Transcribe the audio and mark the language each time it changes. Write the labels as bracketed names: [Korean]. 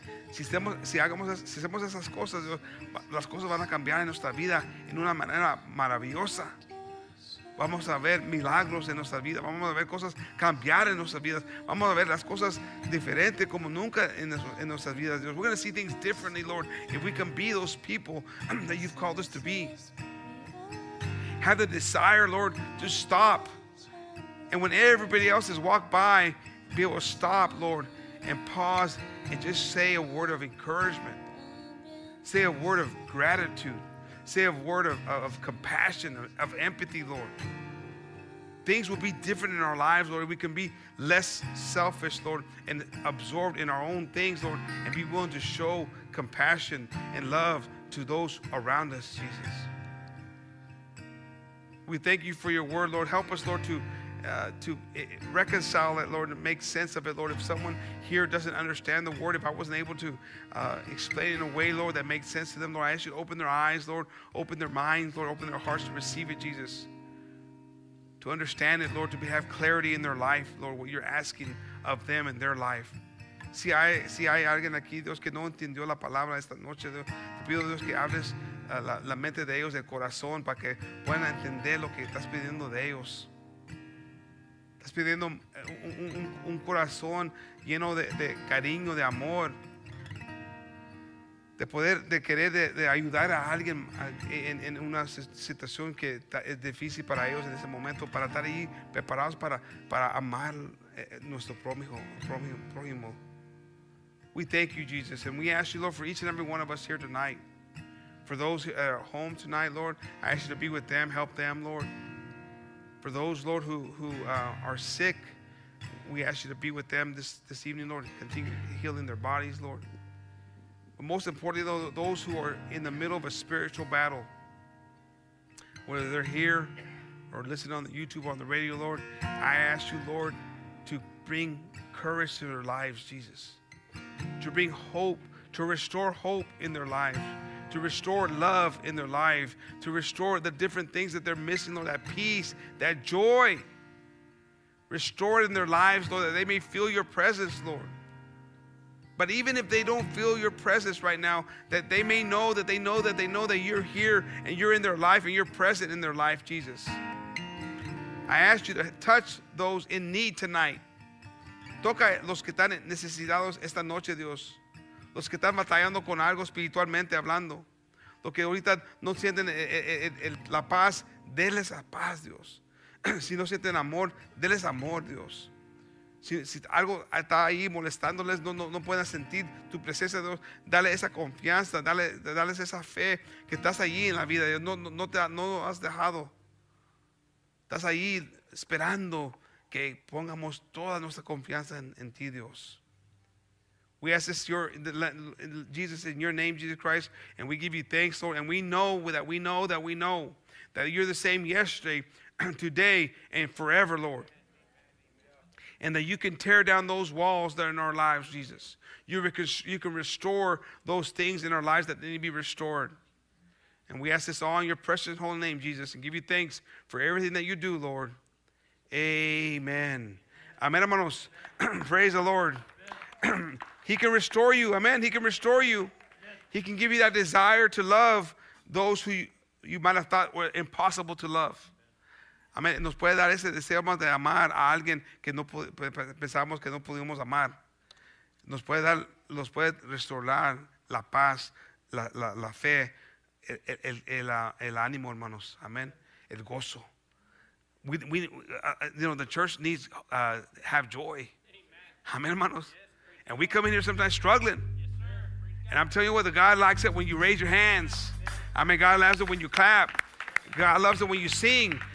[Spanish] Si hacemos esas cosas, Dios, las cosas van a cambiar en nuestra vida en una manera maravillosa. Vamos a ver milagros en nuestra vida. Vamos a ver cosas cambiar en nuestras vidas. Vamos a ver las cosas diferentes como nunca en nuestras vidas, Dios. [English] We're going to see things differently, Lord, if we can be those people that you've called us to be. Have the desire, Lord, to stop. And when everybody else has walked by, be able to stop, Lord, and pause and just say a word of encouragement. Say a word of gratitude. Say a word of compassion, of empathy, Lord. Things will be different in our lives, Lord. We can be less selfish, Lord, and absorbed in our own things, Lord, and be willing to show compassion and love to those around us, Jesus. We thank you for your word, Lord. Help us, Lord, to reconcile it, Lord, and make sense of it, Lord. If someone here doesn't understand the word, if I wasn't able to explain it in a way, Lord, that makes sense to them, Lord, I ask you to open their eyes, Lord, open their minds, Lord, open their hearts to receive it, Jesus, to understand it, Lord, to have clarity in their life, Lord, what you're asking of them in their life. [Spanish] Si hay alguien aquí, Dios, que no entendió la palabra esta noche, Dios, te pido, Dios, que abres la mente de ellos, el corazón, para que puedan entender lo que estás pidiendo de ellos. Estás pidiendo un corazón lleno de cariño, de amor, de poder, de querer de ayudar a alguien en una situación que es difícil para ellos en ese momento, para estar ahí preparados para amar nuestro prójimo. [English] We thank you, Jesus, and we ask you, Lord, for each and every one of us here tonight, for those at our home tonight, Lord, I ask you to be with them, help them, Lord. For those, Lord, who are sick, we ask you to be with them this evening, Lord. Continue healing their bodies, Lord. But most importantly, though, those who are in the middle of a spiritual battle, whether they're here or listening on the YouTube or on the radio, Lord, I ask you, Lord, to bring courage to their lives, Jesus. To bring hope, to restore hope in their lives. To restore love in their life, to restore the different things that they're missing, Lord, that peace, that joy. Restore it in their lives, Lord, that they may feel your presence, Lord. But even if they don't feel your presence right now, that they may know that they know that they know that you're here and you're in their life and you're present in their life, Jesus. I ask you to touch those in need tonight. [Spanish] Toca los que están necesitados esta noche, Dios. Los que están batallando con algo espiritualmente hablando. Los que ahorita no sienten la paz, déles la paz, Dios. Si no sienten amor, déles amor, Dios. Si algo está ahí molestándoles, no puedan sentir tu presencia, Dios. Dale esa confianza, dale esa fe que estás allí en la vida, Dios. No lo has dejado. Estás ahí esperando que pongamos toda nuestra confianza en ti, Dios. [English] We ask this, Jesus, in your name, Jesus Christ, and we give you thanks, Lord. And we know that you're the same yesterday, today, and forever, Lord. And that you can tear down those walls that are in our lives, Jesus. You can restore those things in our lives that need to be restored. And we ask this all in your precious holy name, Jesus, and give you thanks for everything that you do, Lord. Amen. Amen, hermanos. Praise the Lord. He can restore you. Amen. He can restore you. He can give you that desire to love those who you might have thought were impossible to love. [Spanish] Amén. Nos puede dar ese deseo más de amar a alguien que no pensamos que no pudimos amar. Nos puede dar, nos puede restaurar la paz, la fe, el ánimo, hermanos. Amén. El gozo. [English] We you know, the church needs have joy. Amén, hermanos. And we come in here sometimes struggling. And I'm telling you what, God likes it when you raise your hands. I mean, God loves it when you clap. God loves it when you sing.